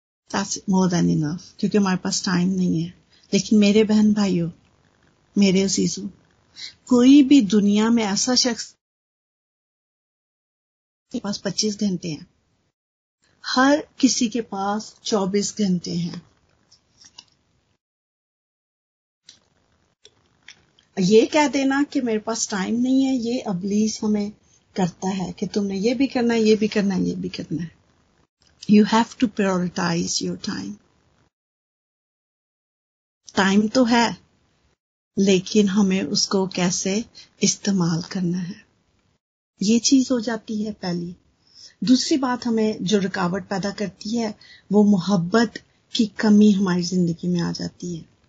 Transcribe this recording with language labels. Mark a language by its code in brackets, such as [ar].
[en] That's more than enough, [hi] क्योंकि हमारे पास time नहीं है. लेकिन मेरे बहन भाइयों, मेरे अजीजू, कोई भी दुनिया में ऐसा शख्स के पास 25 घंटे हैं, हर किसी के पास 24 घंटे हैं. ये कह देना कि मेरे पास टाइम नहीं है, ये अबलीस हमें करता है कि तुमने ये भी करना है, ये भी करना है, ये भी करना है. [en] You have to prioritize your time. [hi] Time तो है, लेकिन हमें उसको कैसे इस्तेमाल करना है, ये चीज हो जाती है पहली. दूसरी बात हमें जो रुकावट पैदा करती है वो मोहब्बत की कमी हमारी जिंदगी में आ जाती है.